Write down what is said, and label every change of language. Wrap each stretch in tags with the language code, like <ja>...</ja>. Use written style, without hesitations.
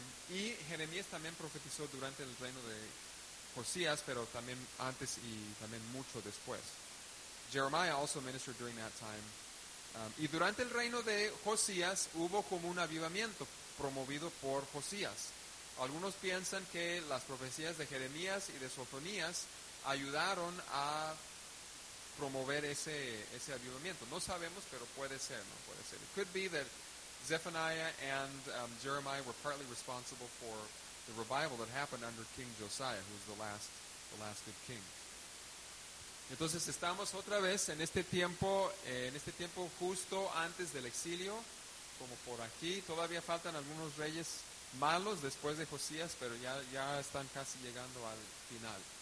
<es>Y Jeremías también profetizó durante el reino de Josías, pero también antes y también mucho después.</es> <en>Jeremiah also ministered during that time.</en> <es>Y durante el reino de Josías hubo como un avivamiento promovido por Josías. Algunos piensan que las profecías de Jeremías y de Sofonías ayudaron a promover ese avivamiento. No sabemos, pero puede ser, ¿no? Puede ser.</es> <en>It could be that Zephaniah and Jeremiah were partly responsible for the revival that happened under King Josiah, who was the last good king.</en> <es>Entonces estamos otra vez en este tiempo justo antes del exilio, como por aquí. Todavía faltan algunos reyes malos después de Josías, pero ya están casi llegando al final.</es>